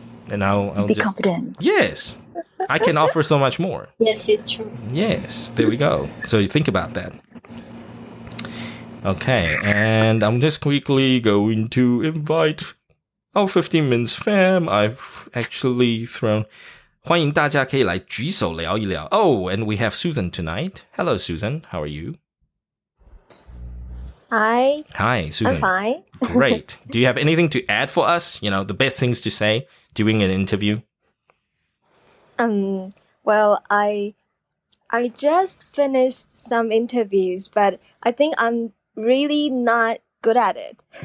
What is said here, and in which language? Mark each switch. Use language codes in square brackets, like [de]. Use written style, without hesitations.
[en] And I'll be confident. Yes. I can offer so much more. Yes, it's true. Yes. There we go. So you think about that. Okay. And I'm just quickly going to invite our 15 Minutes fam. I've actually thrown... [zh] 欢迎大家可以来举手聊一聊。 [en] Oh, and we have Susan tonight. Hello, Susan. How are you? Hi. Hi, Susan. I'm fine. Great. Do you have anything to add for us? You know, the best things to say during an interview? Well, I just finished some interviews, but I think I'm really not good at it.